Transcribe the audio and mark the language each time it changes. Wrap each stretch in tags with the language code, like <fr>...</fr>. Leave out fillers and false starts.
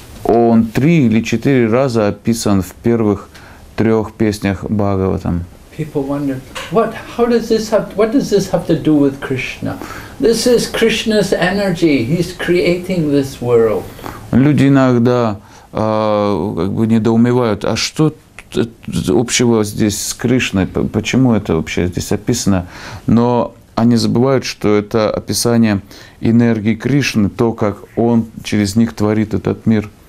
<ru>Он 3 или 4 раза описан в первых 3 песнях Бхагаватам.</ru> <en>People wonder, what does this have to do with Krishna? This is Krishna's energy. He's creating this world.</en> <ru>Люди иногда недоумевают, а что общего здесь с Кришной? Почему это вообще здесь описано? Но они забывают, что это описание энергии Кришны, то, как Он через них творит этот мир.</ru>